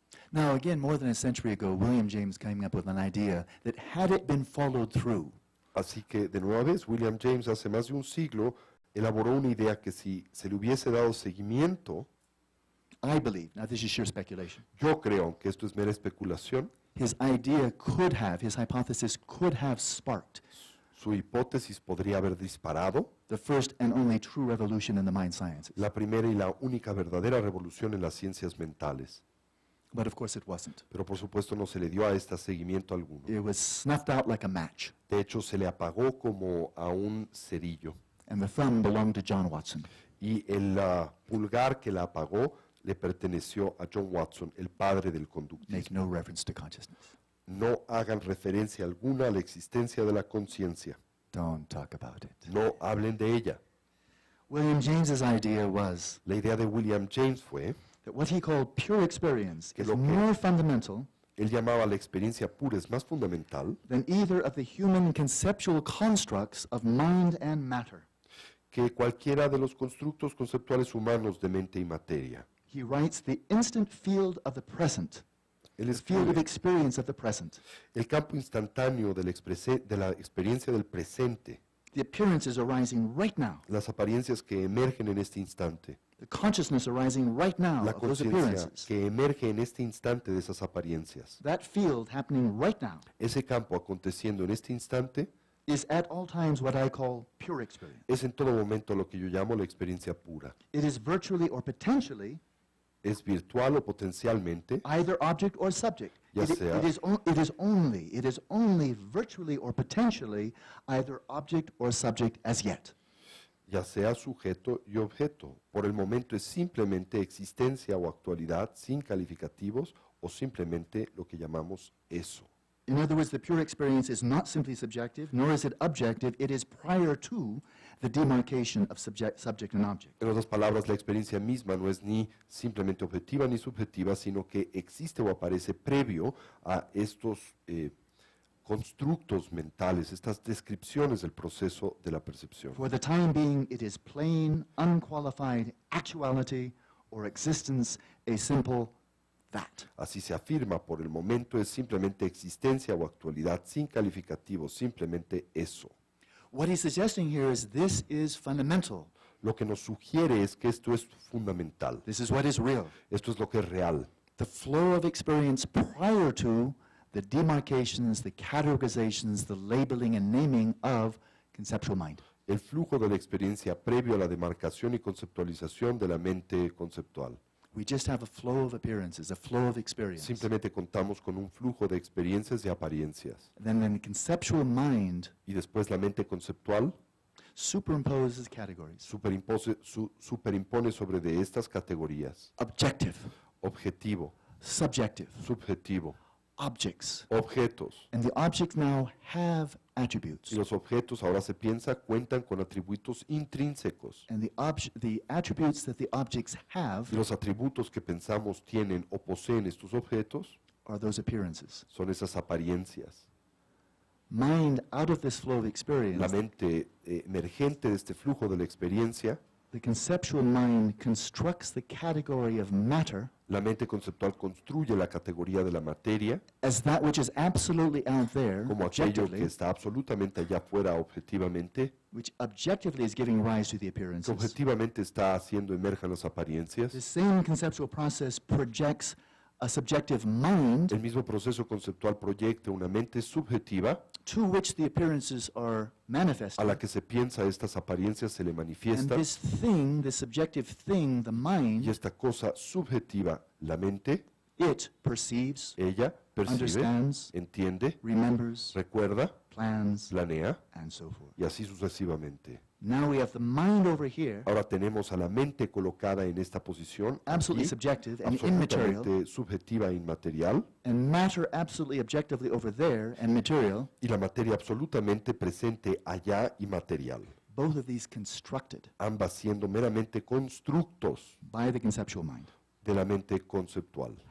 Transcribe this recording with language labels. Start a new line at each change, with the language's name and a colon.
English: Now, again, more than a century ago, William James came up with an idea that had it been followed through.
Spanish: Así que, de nueva vez, William James, hace más de un siglo, elaboró una idea que si se le hubiese dado seguimiento,
English: I believe, now this is sheer speculation.
Spanish: Yo creo que esto es mera especulación.
English: His idea could have, his hypothesis could have sparked.
Spanish: Su hipótesis podría haber disparado.
English: The first and only true revolution in the mind sciences.
Spanish: La primera y la única verdadera revolución en las ciencias mentales.
English: But of course it wasn't.
Spanish: Pero por supuesto no se le dio a esta seguimiento alguno.
English: It was snuffed out like a match.
Spanish: De hecho, se le apagó como a un cerillo.
English: And the thumb belonged to John Watson.
Spanish: Y el pulgar que la apagó le perteneció a John Watson, el padre del conductismo.
English: Make no reference to consciousness.
Spanish: No hagan referencia alguna a la existencia de la conciencia.
English: Don't talk about it.
Spanish: No hablen de ella.
English: William James's idea was.
Spanish: La idea de William James fue.
English: That what he called pure experience is more fundamental.
Spanish: Él llamaba la experiencia pura es más fundamental
English: than either of the human conceptual constructs of mind and matter.
Spanish: Que cualquiera de los constructos conceptuales humanos de mente y materia.
English: He writes the instant field of the present.
Spanish: Él escribe,
English: the field of experience of the present.
Spanish: El campo instantáneo de la experiencia del presente.
English: The appearances arising right now.
Spanish: Las apariencias que emergen en este instante.
English: The consciousness arising right now of those appearances.
Spanish: La conciencia que emerge en este instante de esas apariencias.
English: That field happening right now.
Spanish: Ese campo aconteciendo en este instante.
English: Is at all times what I call pure experience.
Spanish: Es en todo momento lo que yo llamo la experiencia pura.
English: It is virtually or potentially.
Spanish: Es virtual o potencialmente.
English: Either object or subject.
Spanish: Ya sea.
English: It is only virtually or potentially either object or subject as yet.
Spanish: Ya sea sujeto y objeto. Por el momento es simplemente existencia o actualidad sin calificativos o simplemente lo que llamamos eso.
English: In other words, the pure experience is not simply subjective, nor is it objective. It is prior to the demarcation of subject and object.
Spanish: En otras palabras, la experiencia misma no es ni simplemente objetiva ni subjetiva, sino que existe o aparece previo a estos constructos mentales, estas descripciones del proceso de la percepción.
English: For the time being, it is plain, unqualified actuality or existence, a simple that.
Spanish: Así se afirma, por el momento es simplemente existencia o actualidad, sin calificativo, simplemente eso.
English: What he's suggesting here is this is fundamental.
Spanish: Lo que nos sugiere es que esto es fundamental.
English: This is what is real.
Spanish: Esto es lo que es real.
English: The flow of experience prior to the demarcations, the categorizations, the labeling and naming of conceptual mind.
Spanish: El flujo de la experiencia previo a la demarcación y conceptualización de la mente conceptual.
English: We just have a flow of appearances, a flow of experience.
Spanish: Simplemente contamos con un flujo de experiencias y apariencias.
English: Then the conceptual mind.
Spanish: Y después la mente conceptual.
English: Superimposes categories.
Spanish: Superimpone sobre de estas categorías.
English: Objective.
Spanish: Objetivo.
English: Subjective.
Spanish: Subjetivo.
English: Objects.
Spanish: Objetos.
English: And the objects now have attributes.
Spanish: Y los objetos ahora se piensa cuentan con atributos intrínsecos.
English: And the attributes that the objects have.
Spanish: Y los atributos que pensamos tienen o poseen estos objetos.
English: Are those appearances.
Spanish: Son esas apariencias.
English: Mind out of this flow of experience.
Spanish: La mente emergente de este flujo de la experiencia.
English: The conceptual mind constructs the category of matter.
Spanish: La mente conceptual construye la categoría de la materia.
English: As that which is absolutely out there.
Spanish: Como aquello que está absolutamente allá fuera objetivamente.
English: Which objectively is giving rise to the appearances.
Spanish: Que objetivamente está haciendo emerjan las apariencias.
English: The same conceptual process projects a subjective mind.
Spanish: El mismo proceso conceptual proyecta una mente subjetiva.
English: To which the appearances are manifested.
Spanish: A la que se piensa estas apariencias se le manifiesta.
English: And this thing, this subjective thing, the mind.
Spanish: Y esta cosa subjetiva, la mente.
English: It perceives.
Spanish: Ella percibe.
English: Understands.
Spanish: Entiende.
English: Remembers.
Spanish: Recuerda.
English: Plans.
Spanish: Planea.
English: And so forth.
Spanish: Y así sucesivamente.
English: Now we have the mind over here.
Spanish: Ahora tenemos a la mente colocada en esta posición.
English: Absolutely
Spanish: aquí,
English: subjective and immaterial.
Spanish: Subjetiva e inmaterial.
English: And matter absolutely objectively over there and material.
Spanish: Y la materia absolutamente presente allá y material.
English: Both of these constructed.
Spanish: Ambas siendo meramente constructos.
English: By the conceptual mind.
Spanish: De la mente conceptual.